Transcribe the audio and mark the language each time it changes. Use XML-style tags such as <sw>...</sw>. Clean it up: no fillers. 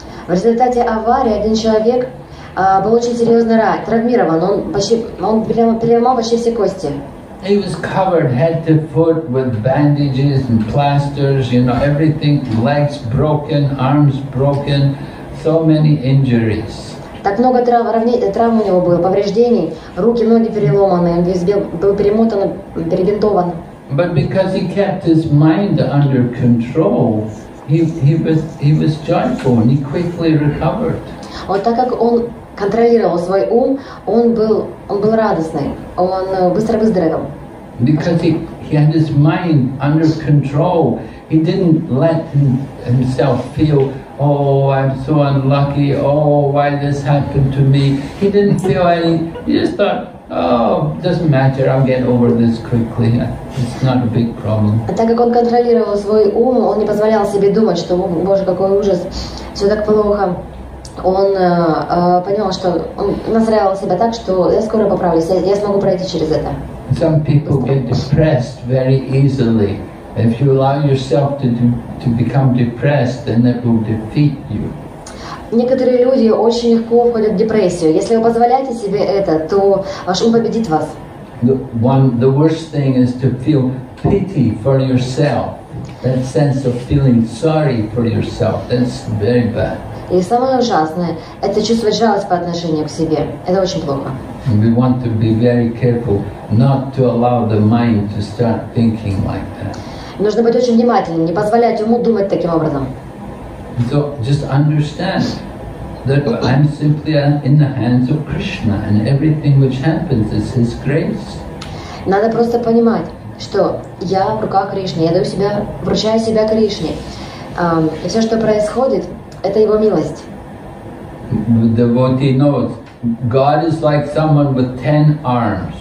<ru>В результате аварии один человек был очень серьезно травмирован, он прямо почти все кости.</ru> <en>He was covered head to foot with bandages and plasters, you know, everything, legs broken, arms broken, so many injuries.</en> <ru>Так много травм у него было, повреждений, руки, ноги переломаны, он весь был перемотан, перебинтован.</ru> <en>But because he kept his mind under control, he was joyful and he quickly recovered.</en> <ru>Вот так как он контролировал свой ум, он был радостный, он быстро выздоровел.</ru> <en>Because he had his mind under control, he didn't let himself feel, oh, I'm so unlucky, oh, why this happened to me. He didn't feel any, he just thought, oh, doesn't matter, I'll get over this quickly, it's not a big problem.</en> <ru>Так как он контролировал свой ум, он не позволял себе думать, что, боже, какой ужас, все так плохо. Он понял, что он настраивал себя так, что я скоро поправлюсь, я смогу пройти через это.</ru> <en>Some people get depressed very easily. If you allow yourself to become depressed, then that will defeat you.</en> <ru>Некоторые люди очень легко входят в депрессию. Если вы позволяете себе это, то ваш ум победит вас.</ru> <en>The worst thing is to feel pity for yourself. That sense of feeling sorry for yourself. That's very bad.</en> <ru>И самое ужасное – это чувствовать жалость по отношению к себе. Это очень плохо.</ru> <en>We want to be very careful not to allow the mind to start thinking like that.</en> <ru>Нужно быть очень внимательным, не позволять уму думать таким образом.</ru> <en>So just understand that I'm simply in the hands of Krishna, and everything which happens is His grace.</en> <ru>Надо просто понимать, что я в руках Кришны, я даю себя, вручаю себя Кришне, и все, что происходит. Это его милость.</ru> <en>The devotee knows God is like someone with 10 arms.</en>